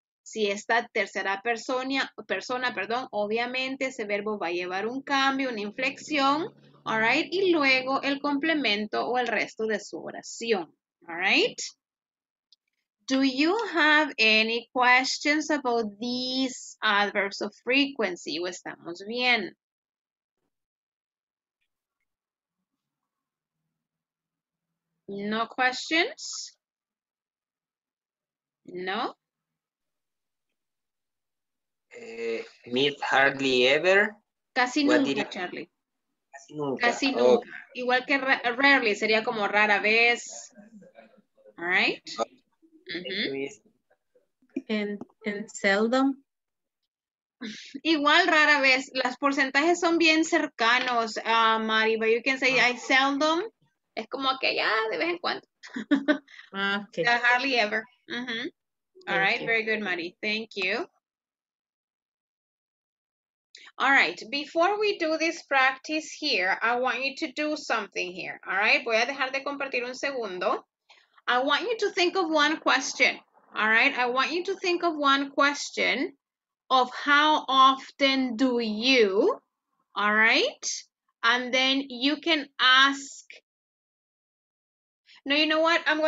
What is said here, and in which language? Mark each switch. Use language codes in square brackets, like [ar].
[es] Si esta tercera persona, obviamente ese verbo va a llevar un cambio, una inflexión. [en] All right. [es] Y luego el complemento o el resto de su oración. [en] All right. Do you have any questions about these adverbs of frequency? [es] ¿O estamos bien? [en] No questions? No? Meet hardly ever? [es] Casi nunca, Charlie. Casi nunca. Casi nunca. Oh. Igual que rarely, sería como rara vez. [en] All right? Mm-hmm. And seldom. [es] Igual rara vez. Los porcentajes son bien cercanos, Mari, [en] but you can say I seldom. [es] Es como que ya de vez en cuando. [en] Okay. Hardly ever. Mm-hmm. All right, you. Very good, Mari. Thank you. All right, before we do this practice here, I want you to do something here. All right, [es] voy a dejar de compartir un segundo. [en] I want you to think of one question, all right? I want you to think of one question of how often do you, all right? And then you can ask. No, you know what?